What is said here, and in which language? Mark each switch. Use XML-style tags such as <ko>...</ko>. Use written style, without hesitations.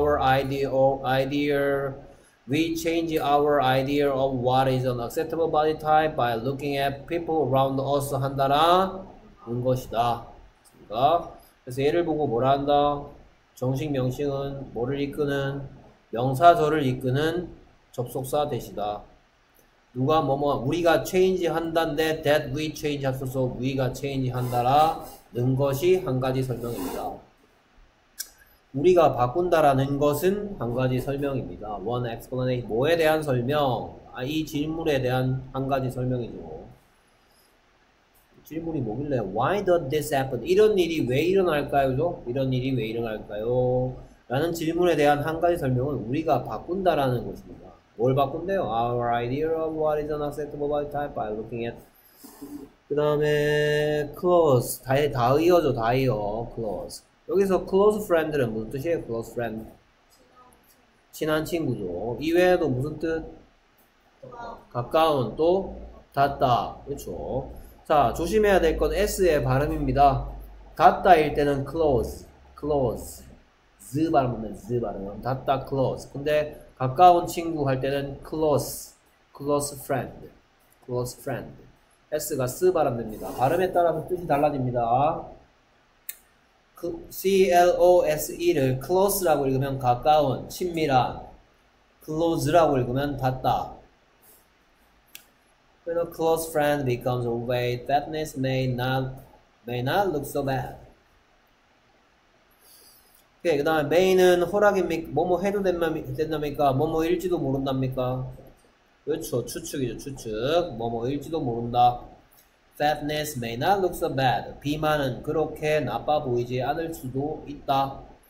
<en>We change our idea of what is an acceptable body type by looking at people around us</en> <ko>한다라는 것이다. 그래서 얘를 보고 뭐라 한다? 정식 명칭은 뭐를 이끄는? 명사절을 이끄는 접속사 대시다. 누가 뭐뭐 우리가 change 한다인데</ko> <en>that we change</en> <ko>앞서서 we가 change 한다라는 것이 한 가지 설명입니다. 우리가 바꾼다라는 것은 한 가지 설명입니다.</ko> <en>One explanation.</en> <ko>뭐에 대한 설명? 아, 이 질문에 대한 한 가지 설명이죠. 그렇죠. 질문이 뭐길래</ko> <en>why does this happen?</en> <ko>이런 일이 왜 일어날까요? 이런 일이 왜 일어날까요? 라는 질문에 대한 한 가지 설명은 우리가 바꾼다라는 것입니다. 뭘 바꾼대요?</ko> <en>Our idea of what is an acceptable type by looking at.</en> <ko>그 다음에 close. 다 이어져, 다 이어. close. 여기서 close friend는 무슨 뜻이에요? close friend. 친한 친구죠. 이외에도 무슨 뜻? 가까운, 또, 닿다. 그쵸. 자, 조심해야 될건 S의 발음입니다. 닿다일 때는 close, close. Z 발음은 Z 발음. 닿다, close. 근데 가까운 친구 할 때는 close, close friend, close friend. S가 S 발음됩니다. 발음에 따라서 뜻이 달라집니다. CLOSE를 close라고 읽으면 가까운, 친밀한. close라고 읽으면 닿다.</ko> <en>When a close friend becomes away, fatness may not look so bad.</en> <ko>오케이, 그 다음에 may는 허락입니까? 뭐뭐 해도 된답니까? 뭐뭐 일지도 모른답니까? 그렇죠, 추측이죠, 추측. 뭐뭐 일지도 모른다.</ko> <en>fatness may not look so bad.</en> <ko>비만은 그렇게 나빠 보이지 않을 수도 있다.</ko>